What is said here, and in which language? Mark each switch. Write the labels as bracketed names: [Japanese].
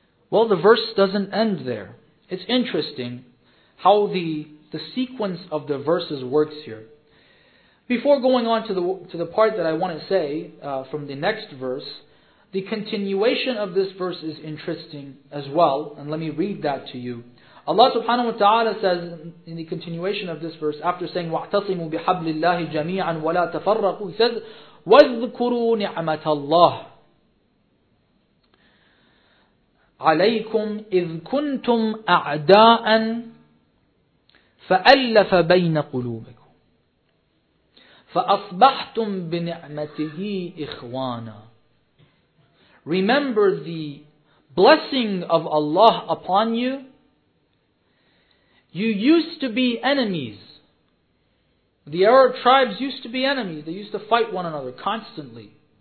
[English] Well, the verse doesn't end there. It's interesting how the sequence of the verses works here. Before going on to the part that I want to say from the next verse, the continuation of this verse is interesting as well. And let me read that to you. Allah subhanahu wa ta'ala says in the continuation of this verse, after saying, [Arabic] وَاعْتَصِمُوا بِحَبْلِ اللَّهِ جَمِيعًا وَلَا تَفَرَّقُوا, [English] He says, [Arabic] وَاذْكُرُوا نِعْمَةَ اللَّهِ عليكم إذ كنتم أعداء فألف بين قلوبكم فأصبحتم بنعمته إخوانا. [English] Remember the blessing of Allah upon you. You used to be enemies. The Arab tribes used to be enemies. They used to fight one another constantly.